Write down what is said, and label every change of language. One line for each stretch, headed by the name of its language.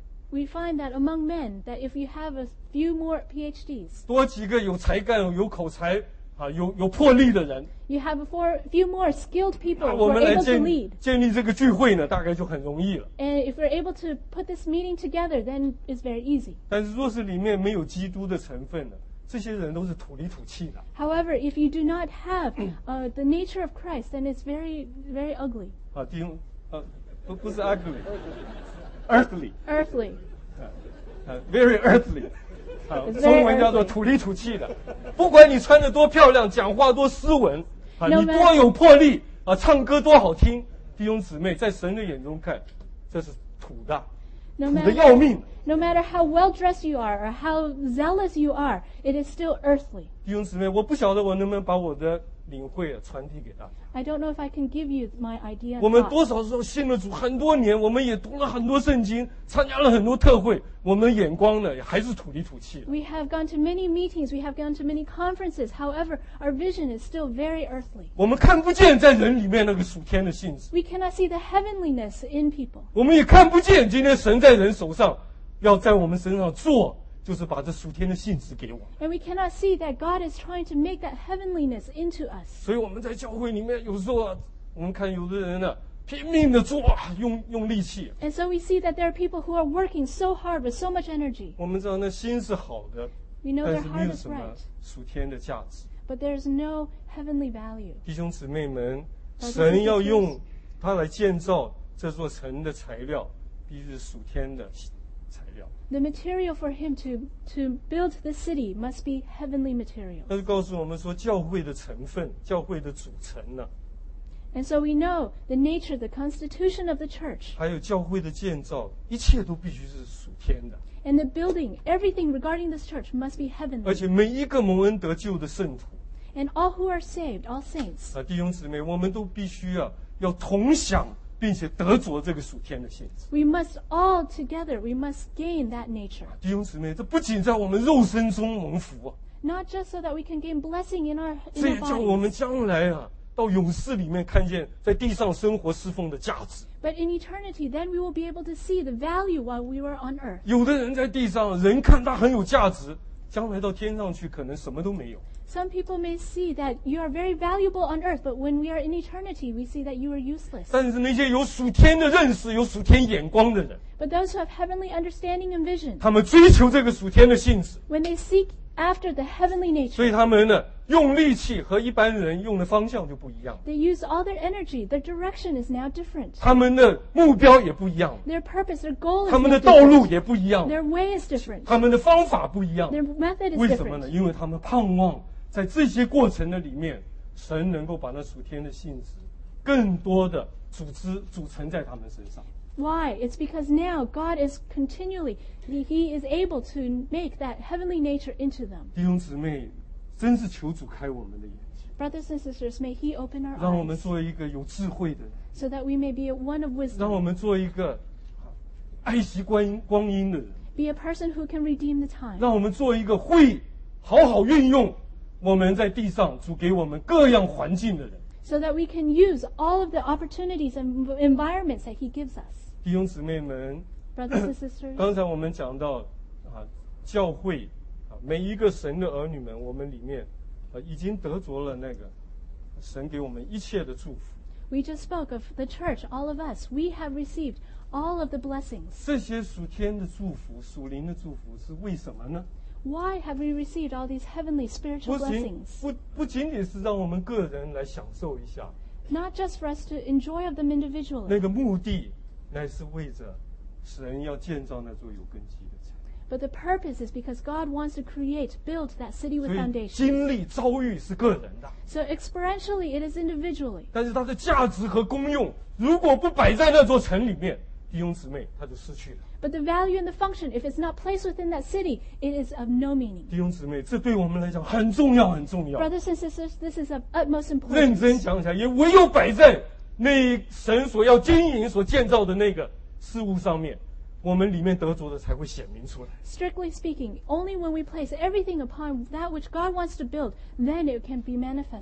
English: ，We find that among men that if you have a few more PhDs,
Chinese: 多几个有才干、有口才。啊、有魄力的人
English: you have few more skilled people who are able to lead
Chinese: 建立这个聚会呢大概就很容易了
English: and if we're able to put this meeting together then it's very easy
Chinese: 但是若是里面没有基督的成分呢这些人都是土里土气的
English: however if you do not have the nature of Christ then it's very very ugly
Chinese: 啊，弟兄，不是
English: ugly earthly very earthly It's、
Chinese: 中文叫做土里土气的不管你穿得多漂亮讲话多斯文、啊、你多有魄力、啊、唱歌多好听弟兄姊妹在神的眼中看这是土的土的要命
English: No matter how well dressed you are or how zealous you are it is still earthly
Chinese: 弟兄姊妹我不晓得我能不能把我的领会、啊、传递给大家
English: I don't know if I can give you my idea
Chinese: 我们多少时候信了主很多年我们也读了很多圣经参加了很多特会我们眼光呢还是土里土气
English: We have gone to many meetings We have gone to many conferences However, our vision is still very earthly
Chinese: 我们看不见在人里面那个属天的性质
English: We cannot see the heavenliness in people
Chinese: 我们也看不见今天神在人手上要在我们身上做就是把这属天的性质给我
English: And we cannot see that God is trying to make that heavenliness into us
Chinese: 所以我们在教会里面有时候、啊、我们看有的人呢、啊拼命的做、啊、用力气
English: And so we see that there are people who are working so hard with so much energy
Chinese: 我们知道那心是好的
English: We know their heart is right
Chinese: 但是没有什么属天的价值
English: But there is no heavenly value
Chinese: 弟兄姊妹们神要用他来建造这座城的材料必须是属天的材料
English: The material for him to build the city must be heavenly material
Chinese: 他就告诉我们说教会的成分教会的组成呢、啊
English: And so we know the nature, the constitution of the church.
Chinese: 还有教会的建造，一切都必须是属天的。
English: And the building, everything regarding this church must be heavenly.
Chinese: 而且每一个蒙恩得救的圣徒。
English: And all who are saved, all saints.
Chinese: 啊，弟兄姊妹，我们都必须啊，要同享并且得着这个属天的性质。
English: We must all together, we must gain that nature.
Chinese: 弟兄姊妹，这不仅在我们肉身中蒙福啊。
English: Not just so that we can gain blessing in our bodies.
Chinese: 这也叫我们将来啊。到永世里面看见在地上生活侍奉的价值
English: But in eternity then we will be able to see the value while we were on earth
Chinese: 有的人在地上人看他很有价值将来到天上去可能什么都没有。
English: Some people may see that you are very valuable on earth, but when we are in eternity, we see that you are useless.
Chinese: 但是那些有属天的认识，有属天眼光的人。
English: But those who have heavenly understanding and vision.
Chinese: 他们追求这个属天的性质。
English: When they seek after the heavenly nature.
Chinese: 所以他们呢，用力气和一般人用的方向就不一样。
English: They use all their energy. Their direction is now different.
Chinese: 他们的目标也不一样。
English: Their purpose, their goal is different.
Chinese: 他们的道路也不一样。
English: Their way is different.
Chinese: 他们的方法不一样。
English: Their method is different.
Chinese: 为什么呢？因为他们盼望。在这些过程的里面，神能够把那属天的性质更多的组织组成在他们身上。
English: Why? It's because now God is continually, He is able to make that heavenly nature into them.
Chinese: 弟兄姊妹，真是求主开我们的眼睛。
English: Brothers and sisters, may He open our eyes.
Chinese: 让我们做一个有智慧的人。
English: So that we may be one of wisdom.
Chinese: 让我们做一个爱惜光阴的人。
English: Be a person who can redeem the time.
Chinese: 让我们做一个会好好运用。我们在地上主给我们各样环境的人
English: so that we can use all of the opportunities and environments that he gives us
Chinese: 弟兄姊妹们
English: brothers and sisters
Chinese: 刚才我们讲到、啊、教会、啊、每一个神的儿女们我们里面、啊、已经得着了那个神给我们一切的祝福
English: we just spoke of the church all of us we have received all of the blessings
Chinese: 这些属天的祝福属灵的祝福是为什么呢
English: Why have we received all these heavenly spiritual blessings?
Chinese: 不仅仅是让我们个人来享受一下。
English: Not just for us to enjoy of them individually.
Chinese: 那个目的乃是为着神要建造那座有根基的城。
English: But the purpose is because God wants to create, build that city with foundation.
Chinese: 所以经历遭遇是个人的。
English: So experientially, it is individually.
Chinese: 但是它的价值和功用如果不摆在那座城里面弟兄姊妹他就失去了
English: But the value and the function If it's not placed within that city It is of no meaning
Chinese: 弟兄姊妹这对我们来讲很重要很重要
English: Brothers and sisters This is of utmost importance
Chinese: 认真想想也唯有摆在那神所要经营所建造的那个事物上面我们里面得着的才会显明出来
English: Strictly speaking Only when we place everything upon That which God wants to build Then it can be manifested